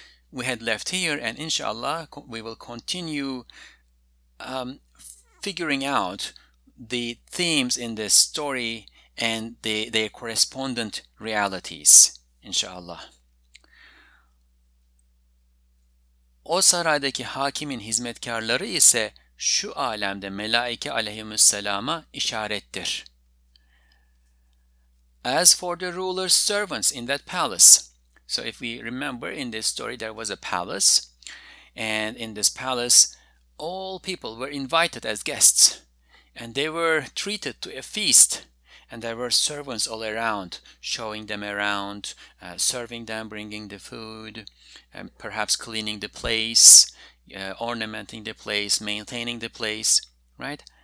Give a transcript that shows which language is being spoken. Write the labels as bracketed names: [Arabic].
[English] We had left here, and inshallah, we will continue figuring out the themes in this story and their correspondent realities, inshallah. [Turkish] O saraydaki hakimin hizmetkarları ise şu alemde melaike aleyhisselama işarettir. [English] As for the ruler's servants in that palace. So if we remember in this story, there was a palace. And in this palace, all people were invited as guests. And they were treated to a feast. And there were servants all around, showing them around, serving them, bringing the food, and perhaps cleaning the place, ornamenting the place, maintaining the place, right?